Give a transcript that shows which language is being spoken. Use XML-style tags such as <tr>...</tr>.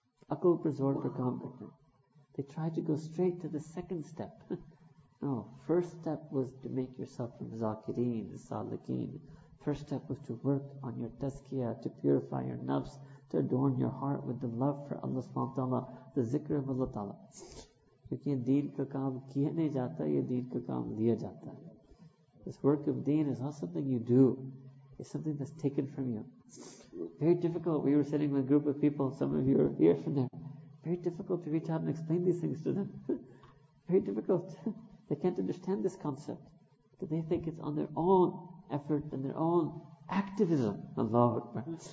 <ur>Akal prasad per kaam karte.</ur> <en>They try to go straight to the second step. No, first step was to make yourself from zakireen, salikeen. First step was to work on your tazkiyah, to purify your nafs, to adorn your heart with the love for Allah subhanahu wa ta'ala, the zikr of Allah ta'ala. Because</en> <ur>یہ دین کا کام کیا نہیں جاتا، یہ دین کا کام لیا جاتا۔</ur> <en>This work of deen is not something you do. It's something that's taken from you. Very difficult. We were sitting with a group of people, some of you are here from there. Very difficult to reach out and explain these things to them. Very difficult. They can't understand this concept. But they think it's on their own effort and their own activism. Allahu Akbar.</en>